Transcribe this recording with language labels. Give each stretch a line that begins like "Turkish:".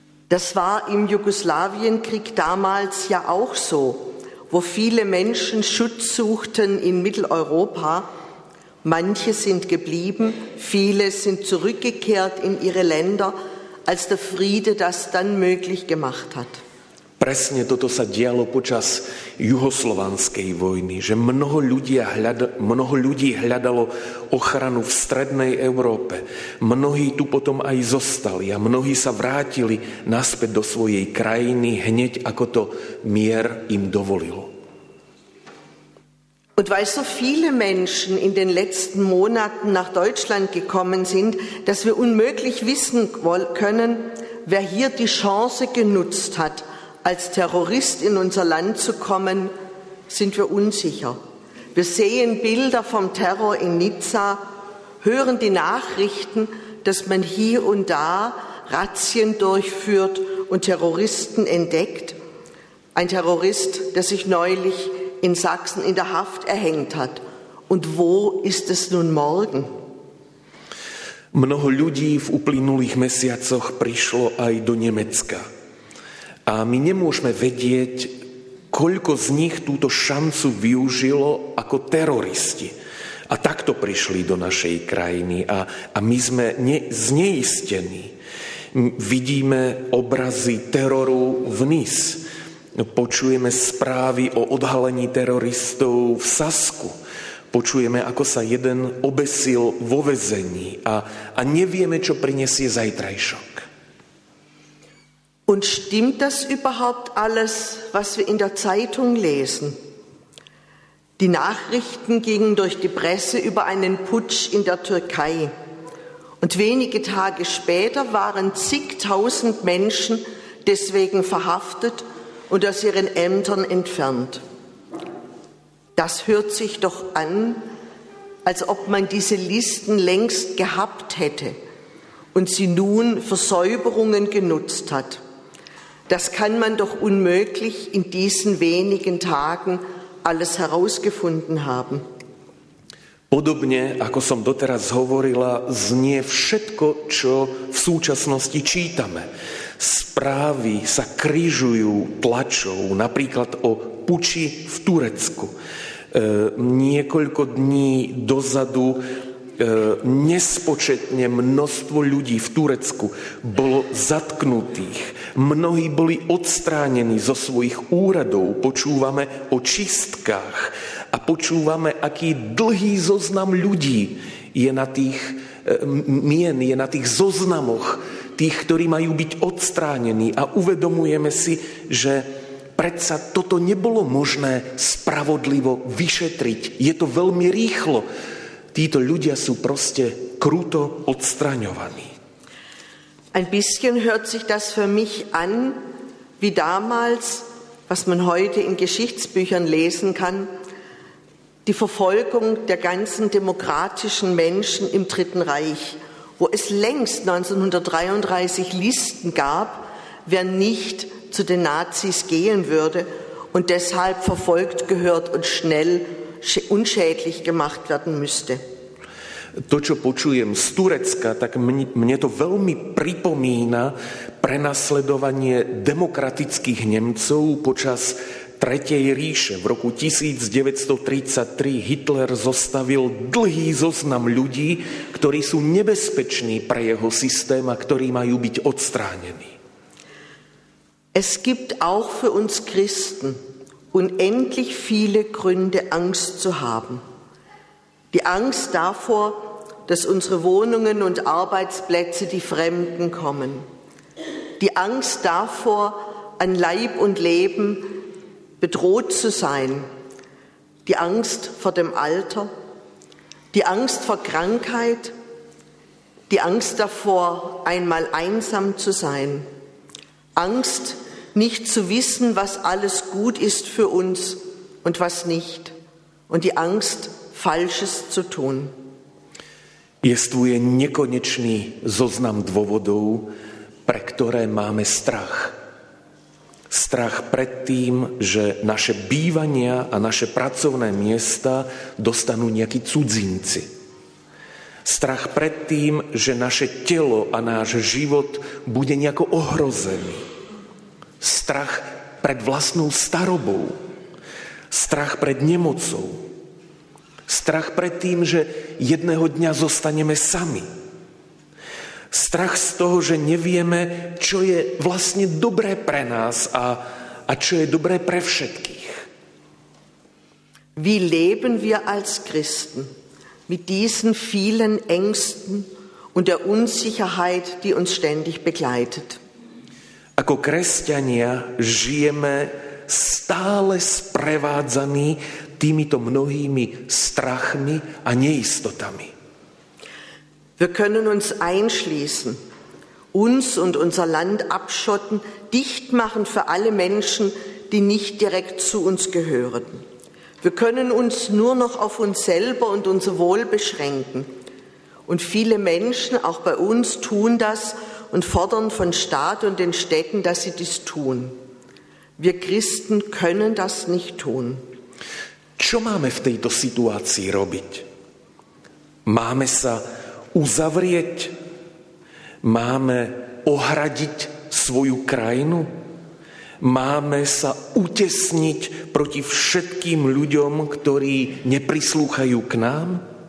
German: Das war im Jugoslawienkrieg damals ja auch so, wo viele Menschen Schutz suchten in Mitteleuropa. Manche sind geblieben, viele sind zurückgekehrt in ihre Länder, als der Friede das dann möglich gemacht hat.
Slovak: Presne toto sa dialo počas juhoslovanskej vojny, že mnoho ľudí hľadalo ochranu v strednej Európe. Mnohí tu potom aj zostali a mnohí sa vrátili naspäť do svojej krajiny hneď, ako to mier im dovolilo.
German: Und weil so viele Menschen in den letzten Monaten nach Deutschland gekommen sind, dass wir unmöglich wissen können, wer hier die Chance genutzt hat, als Terrorist in unser Land zu kommen, sind wir unsicher. Wir sehen Bilder vom Terror in Nizza, hören die Nachrichten, dass man hier und da Razzien durchführt und Terroristen entdeckt. Ein Terrorist, der sich neulich in Sachsen in der Haft erhängt hat. Und wo ist es nun morgen?
Slovak: Mnoho ľudí v uplynulých mesiacoch prišlo aj do Nemecka. A my nemôžeme vedieť, koľko z nich túto šancu využilo ako teroristi. A takto prišli do našej krajiny a my sme zneistení. Vidíme obrazy teroru v Nice. Počujeme správy o odhalení teroristov v Sasku. Počujeme, ako sa jeden obesil vo väzení a nevieme, čo prinesie zajtrajšok.
German: Und stimmt das überhaupt alles, was wir in der Zeitung lesen? Die Nachrichten gingen durch die Presse über einen Putsch in der Türkei. Und wenige Tage später waren zigtausend Menschen deswegen verhaftet und aus ihren Ämtern entfernt. Das hört sich doch an, als ob man diese Listen längst gehabt hätte und sie nun für Säuberungen genutzt hat. Das kann man doch unmöglich in diesen wenigen Tagen alles herausgefunden haben.
Slovak: Podobne, ako som doteraz hovorila, znie všetko, čo v súčasnosti čítame. Správy sa križujú tlačou, napríklad o puči v Turecku. Niekoľko dní dozadu nespočetne množstvo ľudí v Turecku bolo zatknutých. Mnohí boli odstránení zo svojich úradov. Počúvame o čistkách a počúvame, aký dlhý zoznam ľudí je na tých mien, je na tých zoznamoch tých, ktorí majú byť odstránení. A uvedomujeme si, že predsa toto nebolo možné spravodlivo vyšetriť. Je to veľmi rýchlo. Títo ľudia sú proste kruto odstraňovaní.
German: Ein bisschen hört sich das für mich an, wie damals, was man heute in Geschichtsbüchern lesen kann, die Verfolgung der ganzen demokratischen Menschen im Dritten Reich, wo es längst 1933 Listen gab, wer nicht zu den Nazis gehen würde und deshalb verfolgt gehört und schnell unschädlich gemacht werden müsste.
Slovak: To, čo počujem z Turecka, tak mne to veľmi pripomína prenasledovanie demokratických Nemcov počas Tretej ríše. V roku 1933 Hitler zostavil dlhý zoznam ľudí, ktorí sú nebezpeční pre jeho systém a ktorí majú byť odstránení.
German: Es gibt auch für uns Christen unendlich viele Gründe, Angst zu haben. Die Angst davor, dass unsere Wohnungen und Arbeitsplätze die Fremden kommen. Die Angst davor, an Leib und Leben bedroht zu sein. Die Angst vor dem Alter. Die Angst vor Krankheit. Die Angst davor, einmal einsam zu sein. Angst, nicht zu wissen, was alles gut ist für uns und was nicht. Und die Angst, Falsches zu tun.
Slovak: Existuje nekonečný zoznam dôvodov, pre ktoré máme strach. Strach pred tým, že naše bývania a naše pracovné miesta dostanú nejakí cudzinci. Strach pred tým, že naše telo a náš život bude nejako ohrozený. Strach pred vlastnou starobou. Strach pred nemocou. Strach pred tým, že jedného dňa zostaneme sami. Strach z toho, že nevieme, čo je vlastne dobré pre nás a čo je dobré pre všetkých.
German: Wie leben wir als Christen mit diesen vielen Ängsten und der Unsicherheit, die uns ständig begleitet?
Slovak: Ako kresťania žijeme stále sprevádzaní týmito mnohými strachmi a neistotami.
German: Wir können uns einschließen, uns und unser Land abschotten, dicht machen für alle Menschen, die nicht direkt zu uns gehören. Wir können uns nur noch auf uns selber und unser Wohl beschränken. Und viele Menschen, auch bei uns, tun das und fordern von Staat und den Städten, dass sie dies tun. Wir Christen können das nicht tun.
Slovak: Čo máme v tejto situácii robiť? Máme sa uzavrieť? Máme ohradiť svoju krajinu? Máme sa utesniť proti všetkým ľuďom, ktorí neprislúchajú k nám?